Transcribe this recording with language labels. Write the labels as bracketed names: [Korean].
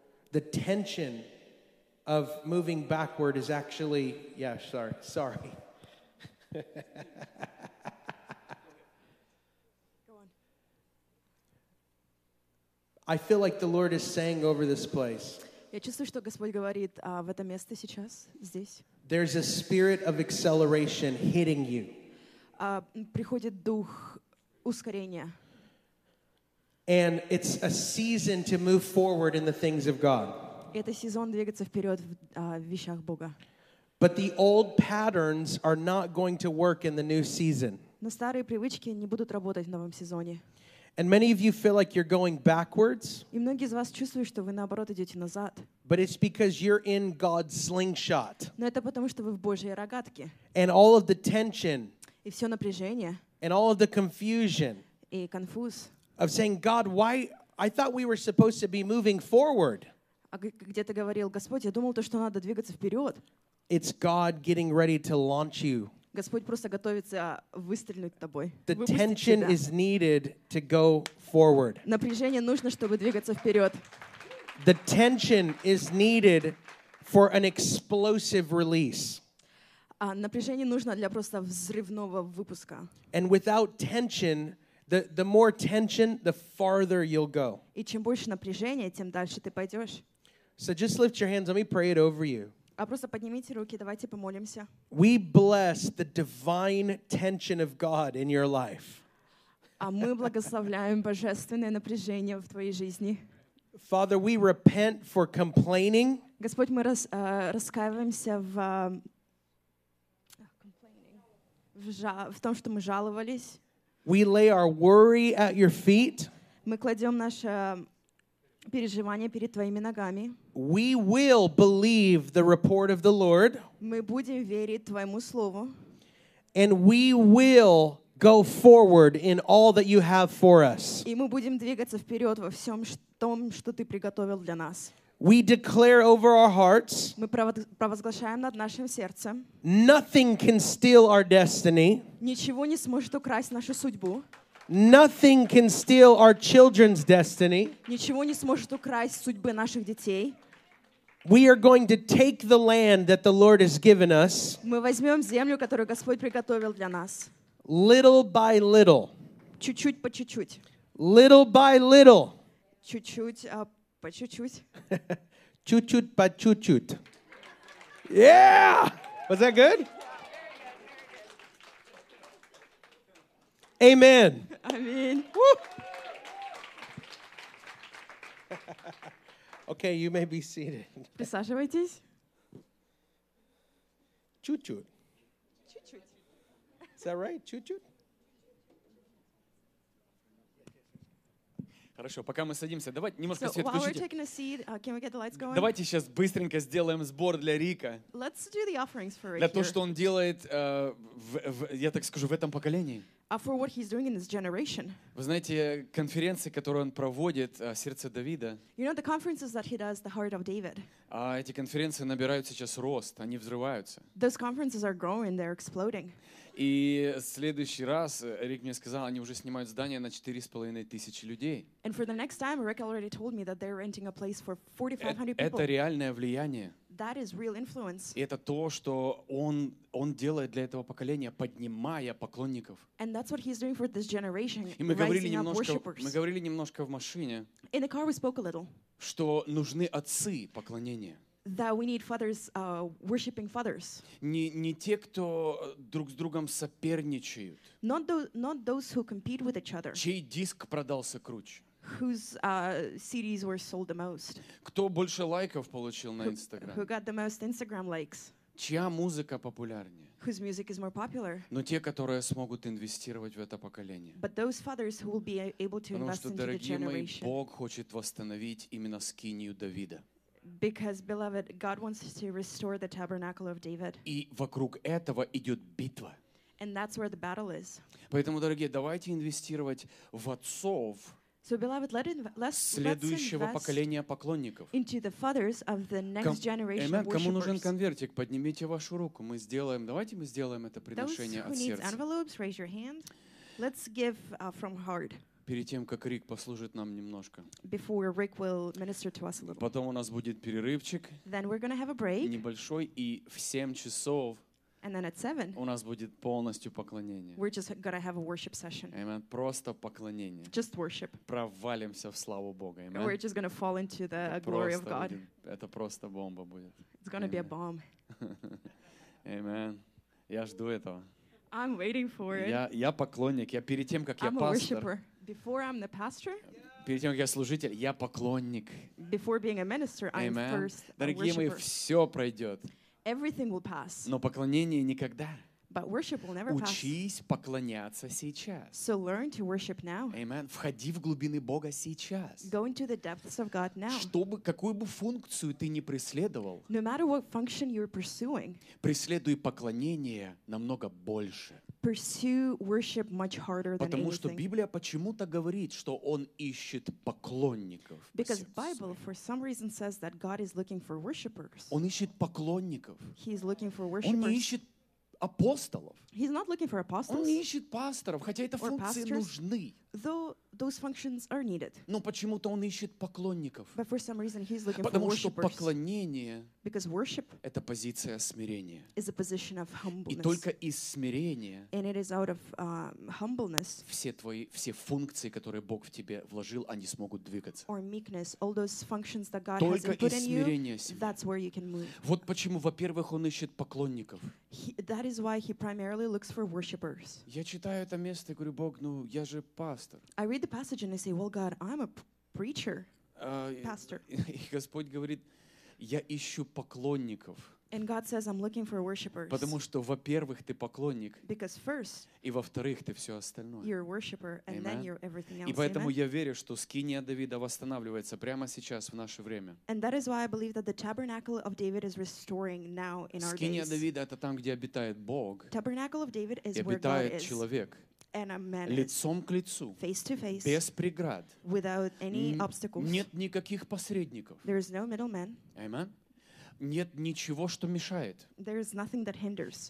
[English] The tension of moving backward is actually, sorry. I feel like the Lord is saying over this place. [Russian] Я чувствую, что Господь говорит в это место сейчас, здесь. [English] There's a spirit of acceleration hitting you. [Russian] Приходит дух ускорения. [English] And it's a season to move forward in the things of God. [Russian] Это сезон двигаться вперёд в вещах Бога. [English] But the old patterns are not going to work in the new season. [Russian] Но старые привычки не будут работать в новом сезоне. [English] And many of you feel like you're going backwards. [Russian] И многие из вас чувствуют, что вы наоборот идете назад. [English] But it's because you're in God's slingshot. [Russian] Но это потому, что вы в Божьей рогатке. [English] And all of the tension. [Russian] И все напряжение. [English] And all of the confusion. [Russian] И конфуз. [English] Of saying, "God, why? I thought we were supposed to be moving forward." [Russian] А где-то говорил Господь, я думал то, что надо двигаться вперед. [English] It's God getting ready to launch you. [Russian] Господь просто готовится выстрелить тобой. [English] The tension is needed to go forward. [Russian] Напряжение нужно, чтобы двигаться вперед. [English] The tension is needed for an explosive release. [Russian] Напряжение нужно для просто взрывного выпуска. [English] And without tension, the more tension, the farther you'll go. [Russian] И чем больше напряжения, тем дальше ты пойдешь. [English] So just lift your hands. Let me pray it over you. [Russian] А просто поднимите руки, давайте помолимся. [English] We bless the divine tension of God in your life. [Russian] А мы благословляем божественное напряжение в твоей жизни. [English] Father, we repent for complaining. [Russian] Господь, мы раскаиваемся в том, что мы жаловались. [English] We lay our worry at your feet. [Russian] Мы кладем наше переживания перед твоими ногами. [English] We will believe the report of the Lord. [Russian] Мы будем верить твоему слову. [English] And we will go forward in all that you have for us. [Russian] И мы будем двигаться вперед во всем том, что ты приготовил для нас. [English] We declare over our hearts. [Russian] Мы провозглашаем над нашим сердцем. [English] Nothing can steal our destiny. [Russian] Ничего не сможет украсть нашу судьбу. [English] Nothing can steal our children's destiny. [Russian] Ничего не сможет украсть судьбы наших детей. [English] We are going to take the land that the Lord has given us. [Russian] Мы возьмём землю, которую Господь приготовил для нас. [English] Little by little. [Russian] Чуть-чуть по чуть-чуть. [English] Little by little. [Russian] Чуть-чуть по чуть-чуть. Чуть-чуть по чуть-чуть. [English] Yeah! Was that good? Amen. Amen. Okay, you may be seated. [Russian] Присаживайтесь. Чуть-чуть. Чуть-чуть. [English] Is that right? [Russian] Чуть-чуть? Хорошо, пока мы садимся, давайте немножко свет включите. [English] While we're taking a seat, can we get the lights going? [Russian] Давайте сейчас быстренько сделаем сбор для Рика. [English] Let's do the offerings for Rick. [Russian] Для того, что он делает, я так скажу, в этом поколении. [English] For what he's doing in this generation. [Russian] Вы знаете, конференции, которые он проводит, сердце Давида. [English] You know the conferences that he does, the heart of David. [Russian] Эти конференции набирают сейчас рост, они взрываются. [English] Those conferences are growing, they're exploding. [Russian] И следующий раз Рик мне сказал, они уже снимают здание на 4,500 людей. [English] And for the next time, Rick already told me that they're renting a place for 4,500 people. [Russian] Это реальное влияние. [English] That is real influence. [Russian] И это то, что он делает для этого поколения, поднимая поклонников. [English] And that's what he's doing for this generation. [Russian] И мы говорили немножко, в машине. [English] In the car we spoke a little. [Russian] Что нужны отцы поклонения. [English] That we need fathers, worshiping fathers. [Russian] Не те, кто друг с другом соперничают. [English] Not those who compete with each other. [Russian] Чей диск продался круче. [English] Whose CDs were sold the most? [Russian] Кто больше лайков получил на Instagram? [English] Who got the most Instagram likes? [Russian] Чья музыка популярнее? [English] Whose music is more popular? [Russian] Но те, которые смогут инвестировать в это поколение. [English] But those fathers who will be able to invest into the generation. [Russian] Потому что, дорогие мои, Бог хочет восстановить именно скинию Давида. [English] Because, beloved, God wants to restore the tabernacle of David. [Russian] И вокруг этого идет битва. [English] And that's where the battle is. [Russian] Поэтому, дорогие, давайте инвестировь в отцов. [English] So, beloved, [Russian] следующего поколения поклонников. [English] Into the fathers of the next generation worshipers. Amen. [Russian] Кому нужен конвертик, поднимите вашу руку. Мы сделаем. Давайте мы сделаем это приношение от сердца. [English] Those who need envelopes, raise your hand. Let's give from heart. [Russian] Перед тем, как Рик послужит нам немножко. [English] Before Rick will minister to us a little. [Russian] Потом у нас будет перерывчик. [English] Then we're gonna have a break. [Russian] Небольшой и в 7 часов. [English] And then at 7, [Russian] у нас будет полностью поклонение. [English] We're just gonna have a worship session. [Russian] Amen. Просто поклонение. [English] Just worship. [Russian] Провалимся в славу Бога. [English] Amen. We're just gonna fall into the glory of God. [Russian] Это просто бомба будет. [English] It's gonna be a bomb. [Russian] Amen. Я жду этого. [English] I'm waiting for it. [Russian] Я поклонник. Я перед тем, как я пастор. [English] I'm a worshiper. Before I'm the pastor. [Russian] Перед тем, как я служитель, я поклонник. [English] Before being a minister, I'm first a worshiper. [Russian] Дорогие мои, все пройдет. [English] Everything will pass. [Russian] Но поклонение никогда. [English] But worship will never pass. [Russian] Учись поклоняться сейчас. [English] So learn to worship now. Amen. [Russian] Входи в глубины Бога сейчас. [English] Go into the depths of God now. [Russian] Чтобы какую бы функцию ты ни преследовал. [English] No matter what function you're pursuing. [Russian] Преследуй поклонение намного больше. [English] Pursue worship much harder than [Russian] Потому [English] anything. [Russian] Что Библия почему-то говорит, что Он ищет поклонников. [English] Because Bible, for some reason, says that God is looking for worshipers. [Russian] Он ищет поклонников. [English] He is looking for worshipers. [Russian] Он не ищет апостолов. [English] He's not looking for apostles. [Russian] Он не ищет пасторов, хотя эти функции нужны. [English] Though those functions are needed. [Russian] Но почему-то он ищет поклонников. [English] But for some reason he's looking [Russian] Потому [English] for worshipers. [Russian] Потому что поклонение [English] Because worship [Russian] это позиция смирения. [English] Is a position of humbleness. [Russian] И только из смирения [English] And it is out of humbleness [Russian] все функции, которые Бог в тебе вложил, они смогут двигаться. [English] Or meekness, all those functions that God has put in you, [Russian] себя. [English] That's where you can move. [Russian] Вот почему, во-первых, он ищет поклонников. [English] That is why he primarily looks for worshipers. [Russian] Я читаю это место и говорю, Бог, ну я же пастор. [English] I read the passage and I say, well, God, I'm a preacher, pastor. [Russian] И Господь говорит, я ищу поклонников. [English] And God says, I'm looking for worshipers. [Russian] Потому что, во-первых, ты поклонник. [English] Because first, [Russian] и во-вторых, ты все остальное. [English] You're a worshiper, and then you're everything else. [Russian] И поэтому [English] Amen. [Russian] Я верю, что скиния Давида восстанавливается прямо сейчас, в наше время. [English] And that is why I believe that the tabernacle of David is restoring now in our days. [Russian] Скиния Давида — это там, где обитает Бог. [English] Tabernacle of David is [Russian] и обитает человек. [English] And a man [Russian] лицом к лицу, [English] face to face, [Russian] без преград, [English] without any obstacles. [Russian] Нет никаких посредников. [English] There is no middleman. [Russian] Amen. Нет ничего, что мешает. [English] There is nothing that hinders.